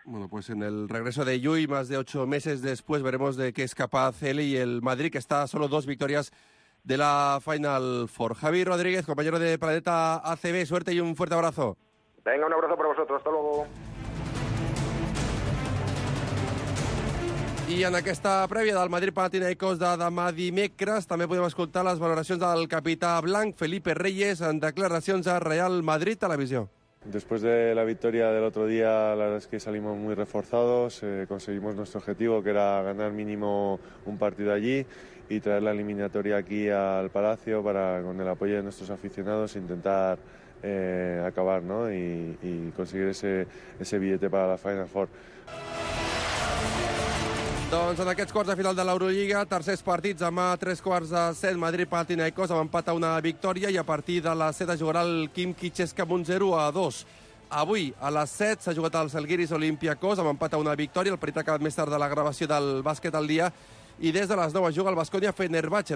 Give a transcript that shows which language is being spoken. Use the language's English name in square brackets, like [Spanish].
[Spanish] Bueno, pues en el regreso de Yui, más de 8 meses después, veremos de qué es capaz él y el Madrid, que está a solo 2 victorias de la Final Four. Javi Rodríguez, compañero de Planeta ACB, suerte y un fuerte abrazo. Venga, un abrazo para vosotros, hasta luego. [Catalan] I en aquesta prèvia del Madrid Panathinaikos de demà dimecres també podem escoltar les valoracions del capità blanc Felipe Reyes en declaracions a Real Madrid Televisió. [Spanish] Después de la victoria del otro día, la verdad es que salimos muy reforzados, conseguimos nuestro objetivo, que era ganar mínimo un partido allí y traer la eliminatoria aquí al Palacio para, con el apoyo de nuestros aficionados, intentar acabar, ¿no? y conseguir ese billete para la Final Four. [Catalan] Doncs en aquests quarts de final de l'Eurolliga, tercers partits, demà 7:15, Madrid Panathinaikos amb empat a una victòria i a partir de les 7 jugarà el Kim Kitscheska amb un 0-2. Avui, a les 7, s'ha jugat el Salgiris Olympiacos amb empat a una victòria, el partit ha acabat més tard de la gravació del bàsquet al dia, i des de les 9 juga el Baskonia Fenerbahçe.